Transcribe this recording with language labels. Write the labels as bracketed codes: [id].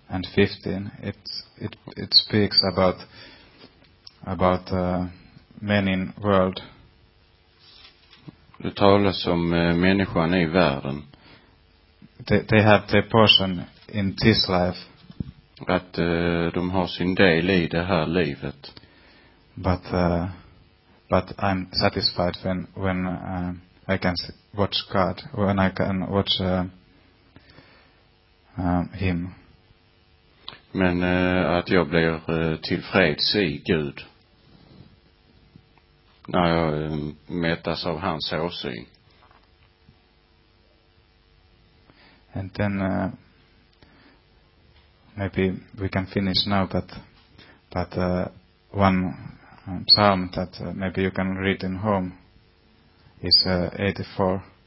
[en] and 15, it speaks about men in world. [sv] Det talas om människan i världen. [en] They have their portion in this life. [sv] Att de har sin del i det här livet. [en] But I'm satisfied when I can watch God, when I can watch him. [sv] Men att jag blir tillfreds i Gud när jag mätas av hans åsyn. [en] And then maybe we can finish now, but one psalm that maybe you can read in home is 84.